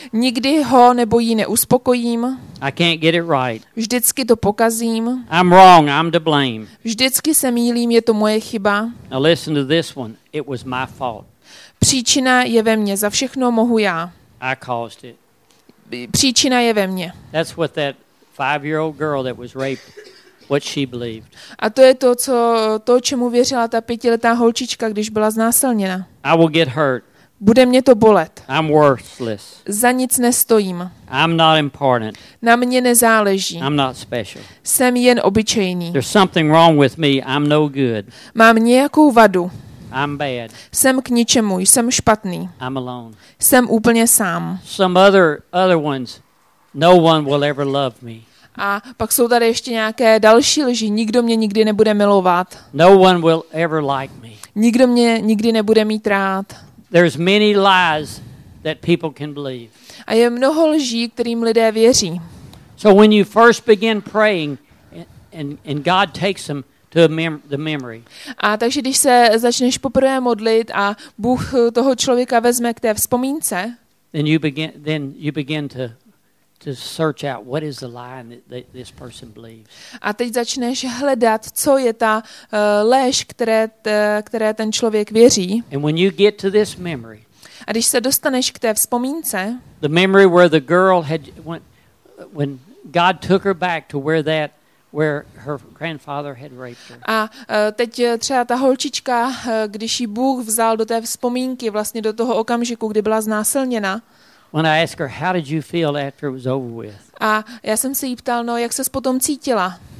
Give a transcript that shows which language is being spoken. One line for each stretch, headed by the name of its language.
Czech: Nikdy ho nebo jí neuspokojím.
English: I can't get it right.
Czech: Vždycky to pokazím.
English: I'm wrong, I'm to blame.
Czech: Vždycky se mýlím, je to moje chyba.
English: Now listen to this one. It was my fault.
Czech: Příčina je ve mně, za všechno mohu já.
English: I caused it.
Czech: Příčina je ve mně.
English: That's what that 5-year-old girl that was raped. What she believed.
Czech: A to je to, čemu věřila ta 5letá holčička, když byla znásilněna.
English: I will get hurt.
Czech: Bude mě to bolet.
English: I'm worthless.
Czech: Za nic nestojím.
English: I'm not important.
Czech: Na mě nezáleží.
English: I'm not special.
Czech: Jsem jen obyčejný.
English: There's something wrong with me. I'm no good.
Czech: Mám nějakou vadu.
English: I'm bad.
Czech: Jsem k ničemu, jsem špatný.
English: I'm alone.
Czech: Jsem úplně sám.
English: Some other ones. No one will ever love me.
Czech: A pak jsou tady ještě nějaké další lži. Nikdo mě nikdy nebude milovat.
English: No one will ever like me.
Czech: Nikdo mě nikdy nebude mít rád.
English: There's many lies that people can believe.
Czech: A je mnoho lží, kterým lidé věří.
English: So when you first begin praying and God takes them to the memory.
Czech: A takže když se začneš poprvé modlit a Bůh toho člověka vezme k té vzpomínce,
English: then you begin to search out what is the lie that this person believes.
Czech: A teď začneš hledat, co je ta lež, které ten člověk věří.
English: And when you get to this memory.
Czech: A když se dostaneš k té vzpomínce.
English: The memory where the girl had when God took her back to where her grandfather had raped her.
Czech: A teď třeba ta holčička, když ji Bůh vzal do té vzpomínky, vlastně do toho okamžiku, kdy byla znásilněna.
English: When I asked her, how did you feel after it was over with?
Czech: A já jsem se jí ptal, no jak ses potom cítila?